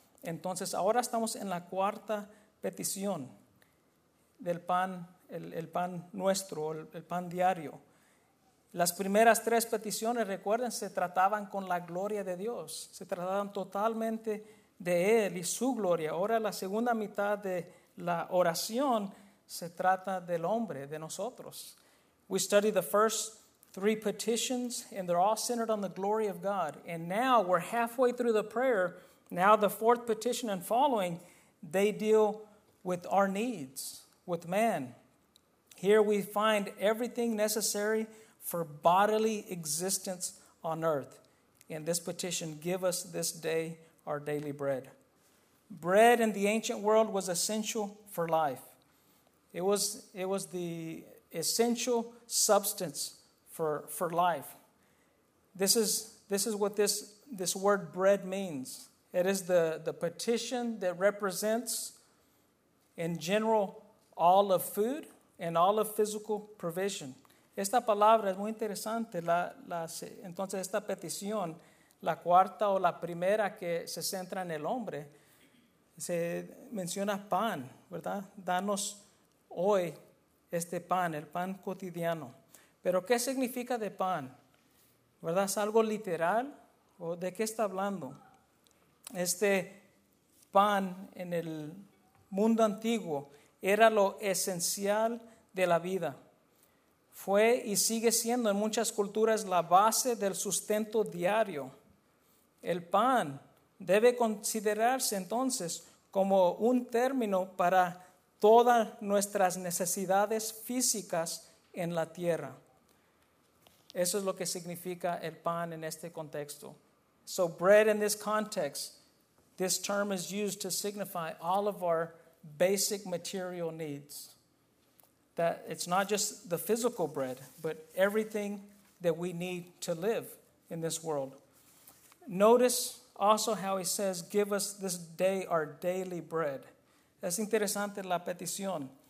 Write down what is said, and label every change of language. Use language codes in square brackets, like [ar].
[es] Entonces, ahora estamos en la cuarta petición del pan, el pan nuestro, el pan diario. Las primeras tres peticiones, recuerden, se trataban con la gloria de Dios. Se trataban totalmente de Él y su gloria. Ahora, la segunda mitad de la oración se trata del hombre, de nosotros. [en] We study the first three petitions, and they're all centered on the glory of God. And now we're halfway through the prayer. Now the fourth petition and following, they deal with our needs, with man. Here we find everything necessary for bodily existence on earth. In this petition, give us this day our daily bread. Bread in the ancient world was essential for life. It was the essential substance for life. This is what this word bread means. It is the petition that represents, in general, all of food and all of physical provision. [es] Esta palabra es muy interesante. Entonces, esta petición, la cuarta o la primera que se centra en el hombre, se menciona pan, ¿verdad? Danos hoy este pan, el pan cotidiano. Pero ¿qué significa de pan? ¿Verdad? ¿Es algo literal? ¿O de qué está hablando? Este pan en el mundo antiguo era lo esencial de la vida. Fue y sigue siendo en muchas culturas la base del sustento diario. El pan debe considerarse entonces como un término para todas nuestras necesidades físicas en la tierra. Eso es lo que significa el pan en este contexto. [en] So bread in this context, this term is used to signify all of our basic material needs. That it's not just the physical bread, but everything that we need to live in this world. Notice also how he says, give us this day our daily bread. [es] Es interesante la petición.